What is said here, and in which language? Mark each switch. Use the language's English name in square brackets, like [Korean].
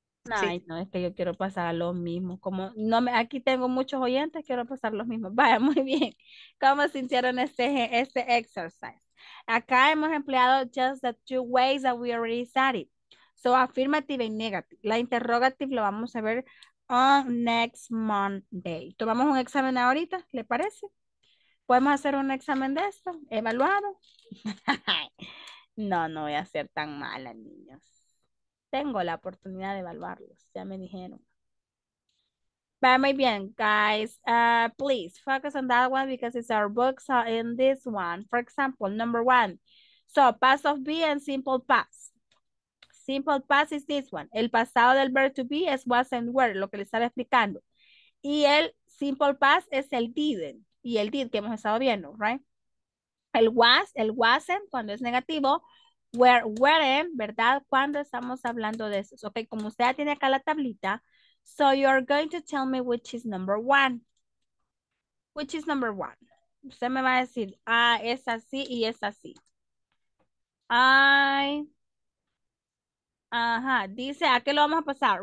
[Spanish] Ay, sí. No, es que yo quiero pasar lo mismo. Como no me, aquí tengo muchos oyentes, quiero pasar lo mismo. Vaya, muy bien. ¿Cómo sintieron este exercise? Acá hemos empleado [English] just the two ways that we already studied. So, affirmative and negative. La interrogative [Spanish] lo vamos a ver [English] on next Monday. [Spanish] ¿Tomamos un examen ahorita? ¿Le parece? ¿Podemos hacer un examen de esto? ¿Evaluado? No voy a ser tan mala, niños. Tengo la oportunidad de evaluarlos, ya me dijeron. Va muy bien, guys. [English] Please focus on that one because it's our books in this one. For example, number one. So, past of be and simple past. Simple past is this one. [Spanish] El pasado del verb to be es was and were, lo que les estaba explicando. Y el simple past es el didn't. Y el did que hemos estado viendo, [English] right? [Spanish] El wasn't cuando es negativo. Where, weren't, ¿verdad? Cuando estamos hablando de eso. Ok, como usted ya tiene acá la tablita. [English] So you're going to tell me which is number one. Which is number one? [Spanish] Usted me va a decir, ah, es así y es así. I. Ajá, dice, ¿a qué lo vamos a pasar?